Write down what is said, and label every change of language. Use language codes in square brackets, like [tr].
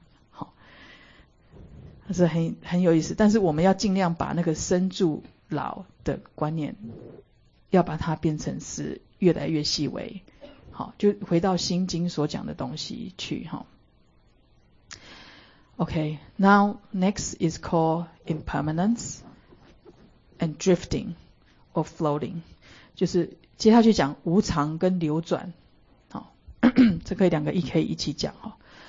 [zh] 好，还是很有意思。但是我们要尽量把那个生住老的观念，要把它变成是越来越细微。好，就回到《心经》所讲的东西去哈。 [en] Okay, now next is called impermanence and drifting or floating. [zh] 就是接下去讲无常跟流转。好，这可以两个一可以一起讲哈。